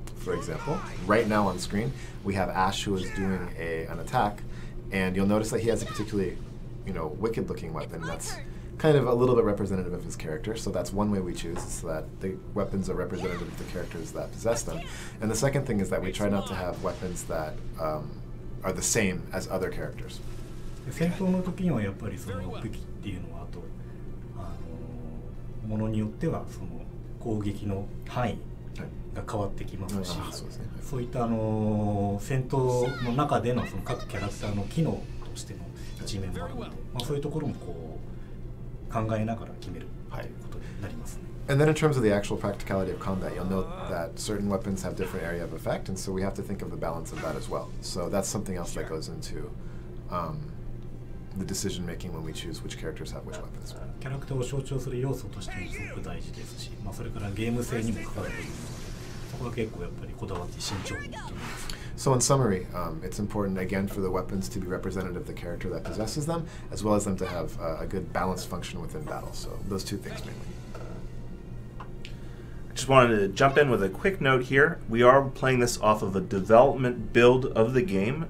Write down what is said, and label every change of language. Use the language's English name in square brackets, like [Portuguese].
[English] For example, right now on screen, we have Ash who is doing an attack, and you'll notice that he has a particularly, you know, wicked-looking weapon that's kind of a little bit representative of his character, so that's one way we choose, so that the weapons are representative of the characters that possess them. And the second thing is that we try not to have weapons that... are the same as other characters. [Japanese] 戦闘の時にはやっぱりその武器っていうのはあとあのものによってはその攻撃の範囲が変わってきますし、そういったあの戦闘の中でのその各キャラクターの機能としての一面もあるので、まあ、そういうところもこう考えながら決めるということになりますね。 [English] And then in terms of the actual practicality of combat, you'll note that certain weapons have different area of effect, and so we have to think of the balance of that as well. So that's something else that goes into the decision making when we choose which characters have which weapons. [Japanese] キャラクターを象徴する要素としてもすごく大事ですし、まあ、それからゲーム性にも関わるので、そこは結構やっぱりこだわって慎重にやってます。 [English] So in summary, it's important again for the weapons to be representative of the character that possesses them, as well as them to have a good balanced function within battle. So those two things mainly. Just wanted to jump in with a quick note here. We are playing this off of a development build of the game.